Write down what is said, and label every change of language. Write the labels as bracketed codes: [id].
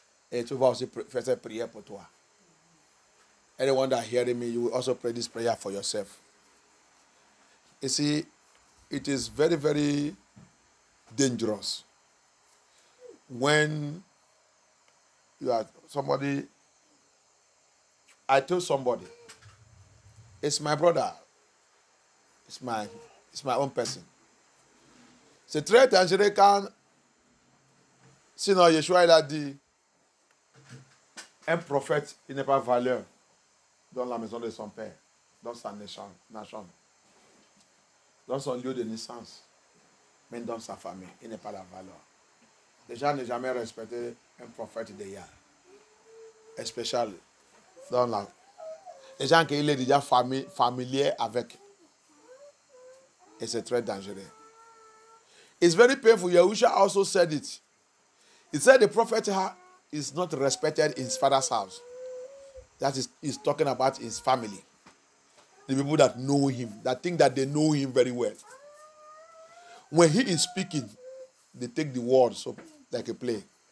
[fr] Et tu vas aussi faire cette prière pour toi. [en] Anyone that hearing me, you will also pray this prayer for yourself. You see, it is very, very dangerous when you are somebody. I tell somebody, it's my brother. It's my own person. [fr] C'est très dangereux quand, sinon Yeshua il a dit, un prophète, il n'est pas valeur dans la maison de son père, dans sa nation, dans son lieu de naissance, même dans sa famille, il n'est pas la valeur. Les gens n'ont jamais respecté un prophète de Yah, spécialement dans la... Les gens qu'il est déjà familier avec, et c'est très dangereux. [en] It's very painful. Yahusha also said it. He said the prophet is not respected in his father's house. That is, he's talking about his family. The people that know him, that think that they know him very well. When he is speaking, they take the word so like a play.